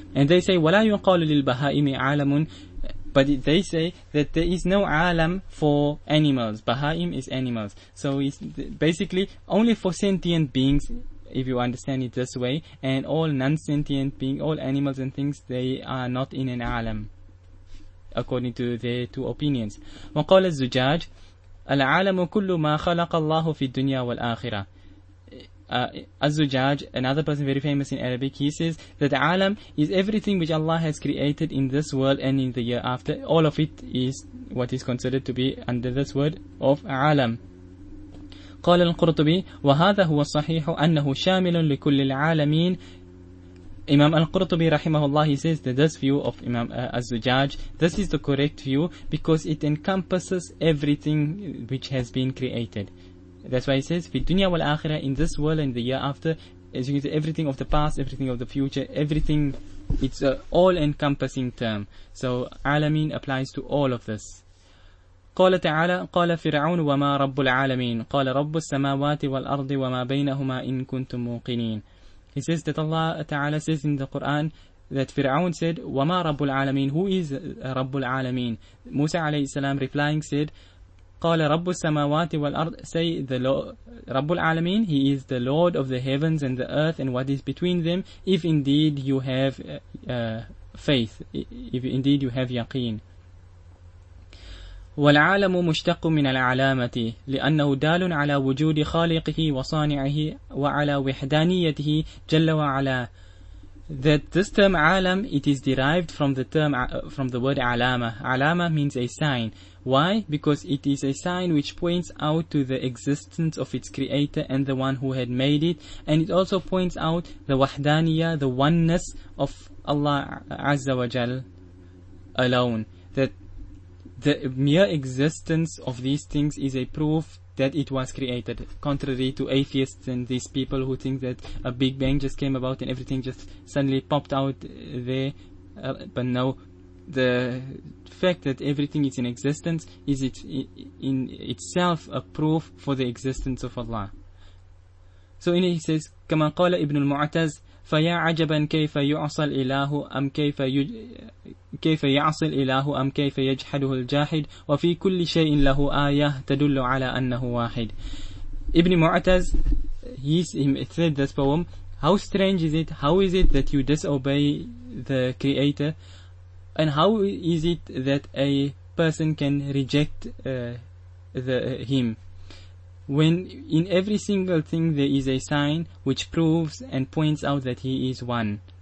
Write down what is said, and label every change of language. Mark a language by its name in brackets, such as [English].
[English] And they say [Arabic] wala yuqalu lil bahaimi alamun, [English] but they say that there is no alam for animals. Bahaim is animals, so it's basically only for sentient beings, if you understand it this way, and all non-sentient beings, all animals and things, they are not in an alam, according to their two opinions. [Arabic] وقال الزجاج العالم كل ما خلق الله في الدنيا والآخرة. [English] الزجاج, another person very famous in Arabic, he says that alam is everything which Allah has created in this world and in the year after. All of it is what is considered to be under this word of alam. [Arabic] قال القرطبي وهذا هو الصحيح أنه شامل لكل العالمين. [English] Imam Al-Qurtubi rahimahullah, he says that this view of Imam Az-Zujaj, this is the correct view because it encompasses everything which has been created. That's why he says [Arabic] في الدنيا والآخرة, [English] in this world and the year after, as you can say, everything of the past, everything of the future, everything, it's an all-encompassing term. So alameen applies to all of this. [Arabic] قال تعالى قال فرعون وما رب العالمين قال رب السماوات والأرض وما بينهما إن كنتم موقنين. [English] He says that Allah Ta'ala says in the Quran that Fir'aun said [Arabic] وما رب العالمين, [English] who is [Arabic] رب العالمين. [English] Musa alayhi salam replying said [Arabic] قال رب السماوات والأرض, [English] say the Lord [Arabic] رب العالمين, [English] he is the Lord of the heavens and the earth and what is between them, if indeed you have faith, if indeed you have yaqeen. [Arabic] والعالم مشتق من العلامة لأنه دال على وجود خالقه وصانعه وعلى وحدانيته جل وعلا. [English] That this term عالم, it is derived from the term from the word علامة. علامة means a sign. Why? Because it is a sign which points out to the existence of its creator and the one who had made it, and it also points out the وحدانية, the oneness of Allah عز وجل alone. That the mere existence of these things is a proof that it was created, contrary to atheists and these people who think that a big bang just came about and everything just suddenly popped out there. But no, the fact that everything is in existence is it in itself a proof for the existence of Allah. So in it he says, [Arabic] كما قال ابن المعتز فيا عجبا كيف يعصى الإله أم كيف يعصي الإله أم كيف يجحده الجاحد وفي كل شيء له آية تدل على أنه واحد. [English] Ibn Mu'taz, he said this poem, how strange is it, how is it that you disobey the Creator, and how is it that a person can reject him? When in every single thing there is a sign which proves and points out that he is one.